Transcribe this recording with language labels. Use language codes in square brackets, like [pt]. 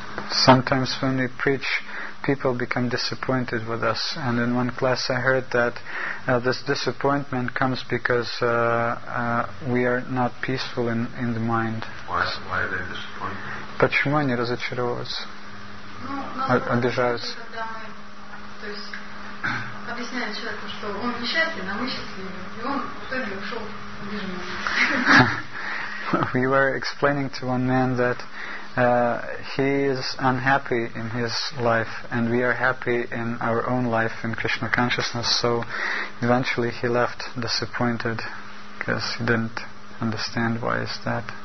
[en] Sometimes when we preach, people become disappointed with us. And in one class I heard that this disappointment comes because we are not peaceful in the mind. Why are they disappointed? [ru] Почему они разочаровываются? Обижаются. Когда мы, то есть, объясняем человеку, что он несчастен, а мы счастливы, и он в итоге ушел обиженный. [en] We were explaining to one man that he is unhappy in his life and we are happy in our own life in Krishna consciousness, so eventually he left disappointed because he didn't understand why is that.